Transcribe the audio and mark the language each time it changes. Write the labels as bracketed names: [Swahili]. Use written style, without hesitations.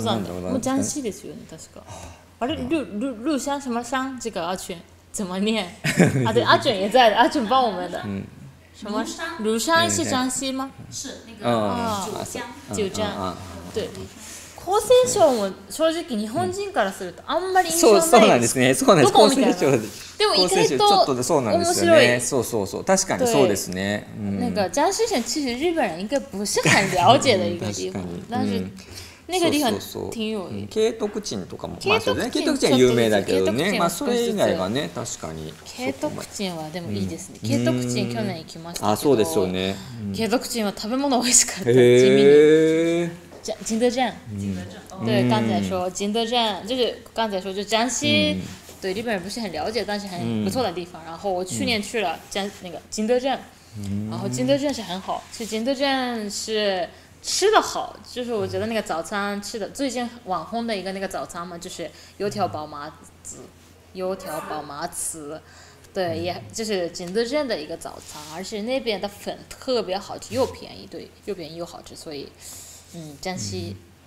[Japanese] ザンだ、もうジャンシーですよね、確か、あれ、ルシャン、シャマシャン、 [Chinese] 这个阿俊、怎么念、 [Japanese] あ、对、 [Chinese] 阿俊也在、阿俊帮我们的、什么山、庐山是江西吗？是，那个九江。 [Japanese] 对，江西省も正直日本人からするとあんまり印象ない。そうなんですね。そうなんです。江西省でも意外とちょっとでそうなんですよね。そうそうそう。確かにそうですね。 [Chinese] 那个江西省其实日本人应该不是很了解的一个地方，但是那个地方挺有意思。 [Japanese] ケイトクチンとかも、まあそうですね。ケイトクチン有名だけどね。まあそれ以外はね、確かに。ケイトクチンはでもいいですね。ケイトクチン去年行きましたけど。あ、そうですよね。ケイトクチンは食べ物美味しかった。へー。 ジンドジャン。 [Chinese] 对，刚才说金德镇，就是刚才说，就江西，对日本人不是很了解，但是很不错的地方。然后我去年去了江那个金德镇，然后金德镇是很好，其实金德镇是吃的好，就是我觉得那个早餐吃的最近网红的一个那个早餐嘛，就是油条包麻糍，油条包麻糍，对，也就是金德镇的一个早餐，而且那边的粉特别好吃，又便宜，对，又便宜又好吃，所以，江西。